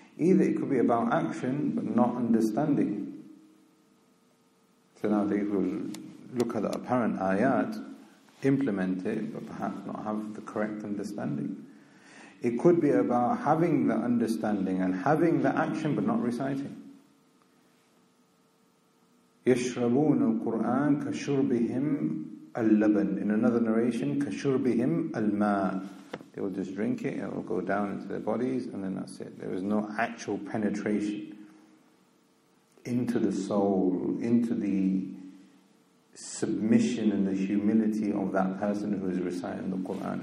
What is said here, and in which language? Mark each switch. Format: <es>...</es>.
<en>Either it could be about action, but not understanding. So now they will look at the apparent ayat, implement it, but perhaps not have the correct understanding. It could be about having the understanding and having the action, but not reciting.</en> <ar>يشربون القرآن كشربهم اللبن.</ar> <en>In another narration,</en> <ar>كشربهم الماء.</ar> <en>They will just drink it, it will go down into their bodies, and then that's it. There is no actual penetration into the soul, into the submission and the humility of that person who is reciting the Quran.</en>